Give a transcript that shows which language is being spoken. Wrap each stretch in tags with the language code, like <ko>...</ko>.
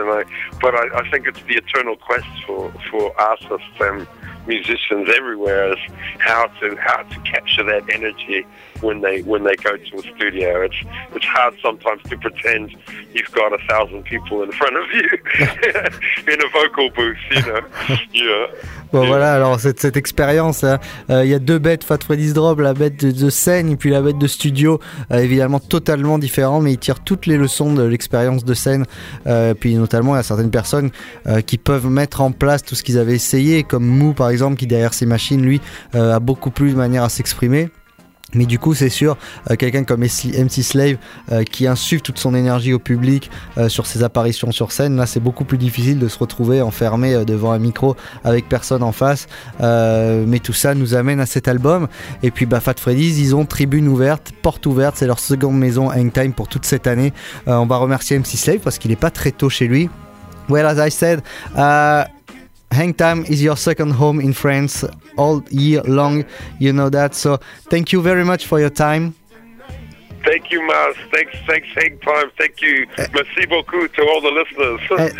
<en>And I think it's the eternal quest for artists and musicians everywhere, is how to capture that energy when they go to a studio. It's hard sometimes to pretend you've got 1,000 people in front of you in a vocal booth, you know.</en> <fr>Voilà, alors cette expérience, il y a deux bêtes, Fat Freddy's Drop, la bête de scène et puis la bête de studio, évidemment totalement différent, mais il tire toutes les leçons de l'expérience de scène. Puis notamment, il y a certaines personnes qui peuvent mettre en place tout ce qu'ils avaient essayé, comme Mu par exemple, qui derrière ses machines, lui, a beaucoup plus de manière à s'exprimer. Mais du coup, c'est sûr, quelqu'un comme MC Slave qui insuffle toute son énergie au public sur ses apparitions sur scène, là c'est beaucoup plus difficile de se retrouver enfermé devant un micro avec personne en face. Mais tout ça nous amène à cet album. Et puis Fat Freddy's, ils ont tribune ouverte, porte ouverte, c'est leur seconde maison Hangtime pour toute cette année. On va remercier MC Slave parce qu'il n'est pas très tôt chez lui.</fr> <en>Well, as I said, Hangtime is your second home in France all year long, you know that. So thank you very much for your time. Thank you, Mars. Thanks, Hangtime. Thank you.</en> <fr>Merci beaucoup</fr> <en>to all the listeners.</en>